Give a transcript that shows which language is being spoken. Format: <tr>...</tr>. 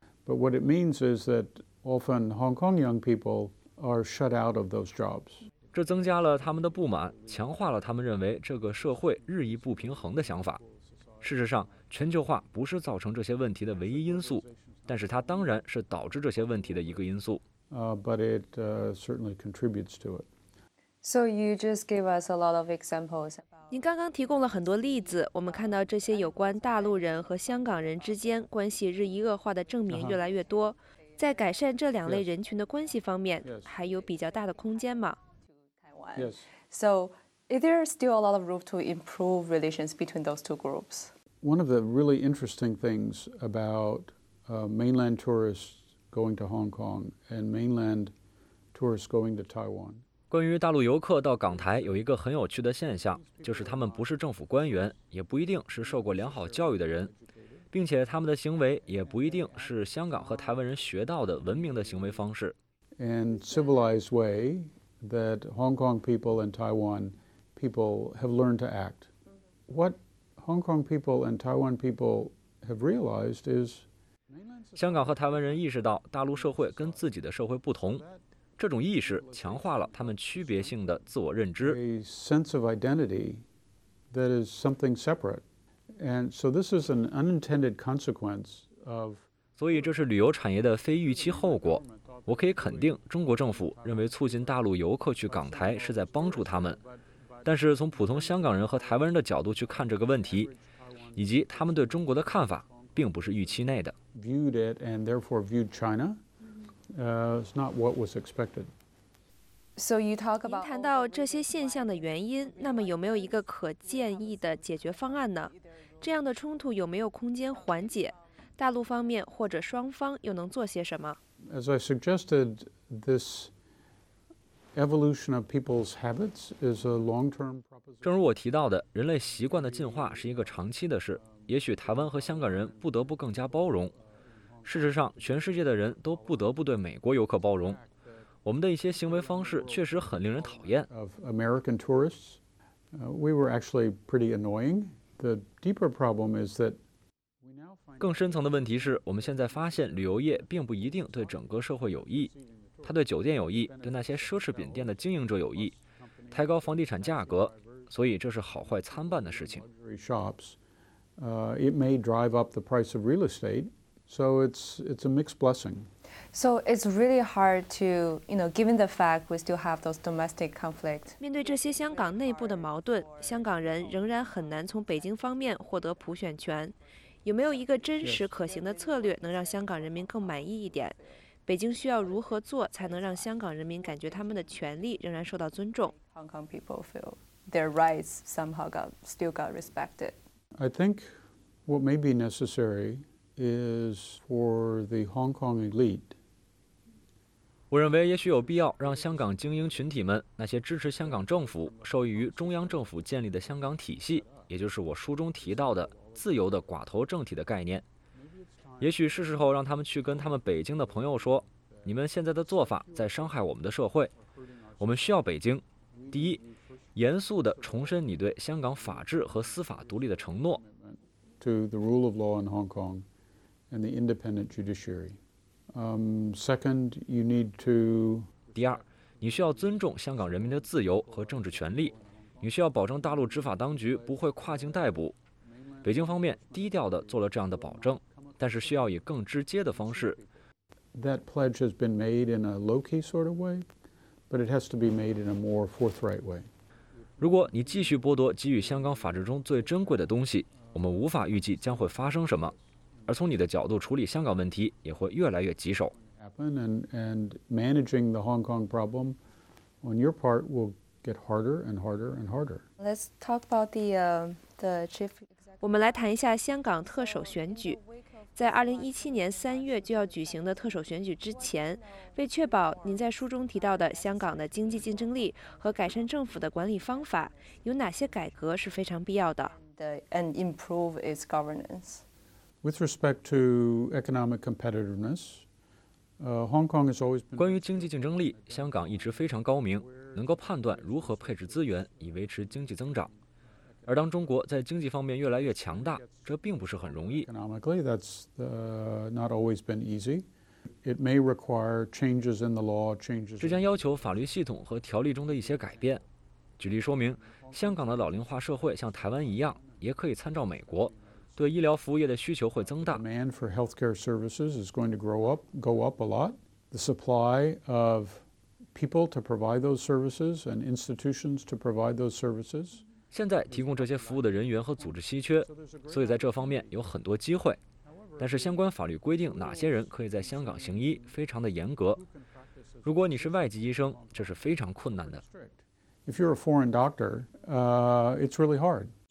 <en>But what it means is that often Hong Kong young people are shut out of those jobs.</en> <zh>这增加了他们的不满，强化了他们认为这个社会日益不平衡的想法。事实上，全球化不是造成这些问题的唯一因素，但是它当然是导致这些问题的一个因素。</zh> <en>But it certainly contributes to it. So you just gave us a lot of examples.</en> <zh>您刚刚提供了很多例子，我们看到这些有关大陆人和香港人之间关系日益恶化的证明越来越多。在改善这两类人群的关系方面，还有比较大的空间吗？</zh> <en>Yes. So. Is there still a lot of room to improve relations between those two groups? One of the really interesting things about mainland tourists going to Hong Kong and mainland tourists going to Taiwan.</en> <zh>关于大陆游客到港台有一个很有趣的现象，就是他们不是政府官员，也不一定是受过良好教育的人，并且他们的行为也不一定是香港和台湾人学到的文明的行为方式。</zh> <en>And civilized way that Hong Kong people and Taiwan people have learned to act. What Hong Kong people and Taiwan people have realized is</en> <zh>香港和台湾人意识到大陆社会跟自己的社会不同，这种意识强化了他们区别性的自我认知。</zh> <en>A sense of identity that is something separate. And so this is an unintended consequence of</en> <zh>所以这是旅游产业的非预期后果。我可以肯定中国政府认为促进大陆游客去港台是在帮助他们，但是从普通香港人和台湾人的角度去看这个问题，以及他们对中国的看法，并不是预期内的。</zh> <en>Viewed it and therefore viewed China, it's not what was expected. So you talk about.</en> <zh>您谈到这些现象的原因，那么有没有一个可建议的解决方案呢？这样的冲突有没有空间缓解？大陆方面或者双方又能做些什么</zh> <en>？As I suggested, this evolution of people's habits is a long-term proposition.</en> <zh>正如我提到的，人类习惯的进化是一个长期的事。也许台湾和香港人不得不更加包容。事实上，全世界的人都不得不对美国游客包容。我们的一些行为方式确实很令人讨厌。</zh> <en>Of American tourists, we were actually pretty annoying. The deeper problem is that</en> <zh>更深层的问题是，我们现在发现旅游业并不一定对整个社会有益。它对酒店有益，对那些奢侈品店的经营者有益，抬高房地产价格，所以这是好坏参半的事情。</zh> <en>It may drive up the price of real estate, so it's a mixed blessing. So it's really hard to, you know, given the fact we still have those domestic conflict.</en> <zh>面对这些香港内部的矛盾，香港人仍然很难从北京方面获得普选权。有没有一个真实可行的策略能让香港人民更满意一点？北京需要如何做才能让香港人民感觉他们的权利仍然受到尊重</zh> <en>？Hong Kong people feel their rights somehow still got respected. I think what may be necessary is for the Hong Kong elite.</en> <zh>我认为也许有必要让香港精英群体们，那些支持香港政府、受益于中央政府建立的香港体系，也就是我书中提到的自由的寡头政体的概念。也许是时候让他们去跟他们北京的朋友说，你们现在的做法在伤害我们的社会。我们需要北京。第一。严肃地重申你对香港法治和司法独立的承诺。</zh> <en>To the rule of law in Hong Kong and the independent judiciary. Second, you need to.</en> <zh>第二，你需要尊重香港人民的自由和政治权利，你需要保证大陆执法当局不会跨境逮捕。北京方面低调地做了这样的保证，但是需要以更直接的方式。</zh> <en>That pledge has been made in a low-key sort of way, but it has to be made in a more forthright way.</en> <zh>如果你继续剥夺给予香港法治中最珍贵的东西，我们无法预计将会发生什么，而从你的角度处理香港问题也会越来越棘手。</zh> <en>And managing the Hong Kong problem on your part will get harder and harder and harder. Let's talk about the chief.</en> <zh>我们来谈一下香港特首选举。在2017年3月就要举行的特首选举之前，为确保您在书中提到的香港的经济竞争力和改善政府的管理方法，有哪些改革是非常必要的</zh> <en>？And improve its governance. With respect to economic competitiveness, Hong Kong has always been.</en> <zh>关于经济竞争力，香港一直非常高明，能够判断如何配置资源以维持经济增长。而当中国在经济方面越来越强大，这并不是很容易。</zh> <en>Economically, that's not always been easy. It may require changes in the law, changes.</en> <zh>这将要求法律系统和条例中的一些改变。举例说明，香港的老龄化社会像台湾一样，也可以参照美国，对医疗服务业的需求会增大。</zh> <en>Demand for healthcare services is going to go up a lot. The supply of people to provide those services and institutions to provide those services.</en> <zh>现在提供这些服务的人员和组织稀缺，所以在这方面有很多机会。但是相关法律规定哪些人可以在香港行医非常的严格。如果你是外籍医生，这是非常困难的。</zh> <en>If you're a foreign doctor, it's really hard.</en>